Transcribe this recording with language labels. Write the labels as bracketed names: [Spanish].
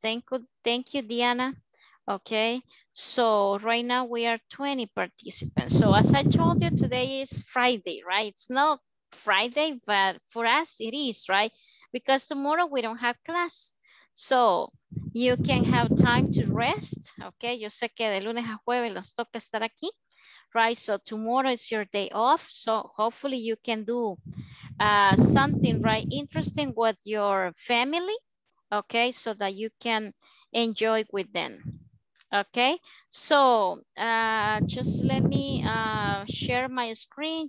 [English] Thank you, Diana. Okay, so right now we are 20 participants. So as I told you, today is Friday, right? It's not Friday, but for us it is, right? Because tomorrow we don't have class. So you can have time to rest, okay? [Spanish] Yo sé que de lunes a jueves nos toca estar aquí, right? [English] So tomorrow is your day off. So hopefully you can do something, right, interesting with your family, okay? So that you can enjoy with them. Okay, so just let me share my screen.